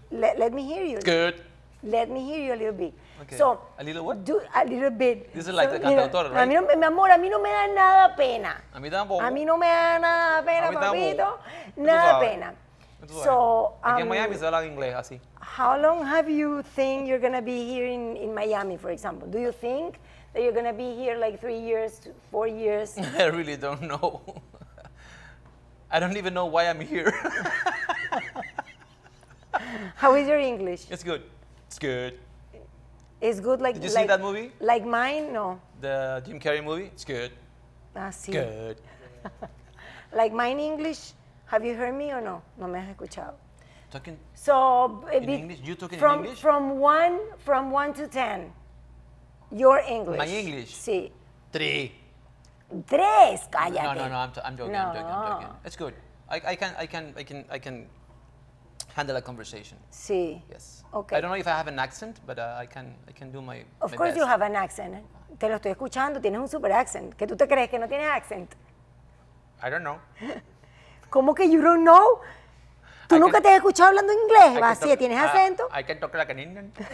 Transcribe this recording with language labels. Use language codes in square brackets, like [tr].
[en] Let me hear you. It's good. Let me hear you a little bit. Okay. So, a little what? A little bit. This is so, like the cantautor, right? [es] A mí no me da nada pena. A mí tampoco. A mí no me da nada pena, papito. Nada pena. So, aquí en Miami se habla inglés así. [en] How long have you think you're going to be here in Miami, for example? Do you think that you're going to be here like 3 years, 4 years? I really don't know. I don't even know why I'm here. How is your English? It's good. It's good. It's good like... Did you see that movie? Like mine? No. The Jim Carrey movie? It's good. [es] Ah, sí. [en] Good. Like mine English? Have you heard me or no? [es] No me has escuchado. [en] Talking so, in English? You talking from, in English? From one to ten. Your English. My English? [es] Sí. [en] Three. [es] Tres, cállate. [en] No, I'm joking. It's good. I can handle a conversation. [es] Sí. [en] Yes. Okay. I don't know if I have an accent, but I can do my best. Of course you have an accent. [es] Te lo estoy escuchando, tienes un super accent. ¿Qué tú te crees que no tienes accent? [en] I don't know. [es] ¿Cómo que [en] you don't know? [es] ¿Tú nunca te has escuchado hablando inglés? Va, sí, tienes acento. [en] I can talk like an Indian.